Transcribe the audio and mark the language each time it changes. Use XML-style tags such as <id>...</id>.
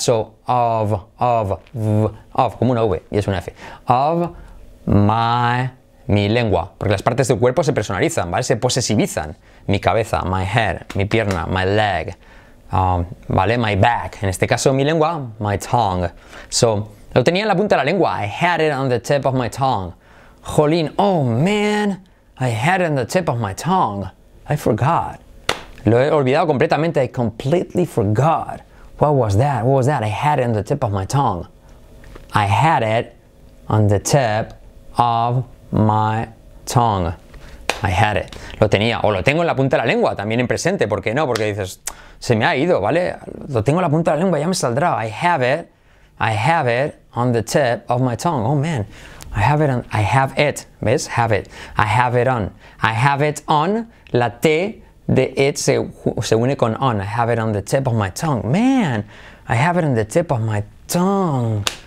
<es>So, of, como una V. Y es una F.</es> <en>Of my,</en> <es>mi lengua. Porque las partes del cuerpo se personalizan, ¿vale? Se posesivizan. Mi cabeza,</es> <en>my head,</en> <es>mi pierna,</es> <en>my leg.</en> <es>¿Vale?</es> <en>My back.</en> <es>En este caso, mi lengua, my tongue. So, lo tenía en la punta de la lengua.</es> <en>I had it on the tip of my tongue. Jolín, oh man, I had it on the tip of my tongue. I forgot.</en> <es>Lo he olvidado completamente.</es> <en>I completely forgot. What was that? What was that? I had it on the tip of my tongue. I had it on the tip of my tongue. I had it.</en> <es>Lo tenía. O lo tengo en la punta de la lengua, también en presente. ¿Por qué no? Porque dices, se me ha ido, ¿vale? Lo tengo en la punta de la lengua, ya me saldrá.</es> <en>I have it on the tip of my tongue. Oh, man. I have it on, I have it.</en> <es>¿Ves?</es> <en>Have it. I have it on. I have it on.</en> <es>La T de it se une con on.</es> <en>I have it on the tip of my tongue. Man, I have it on the tip of my tongue.</en>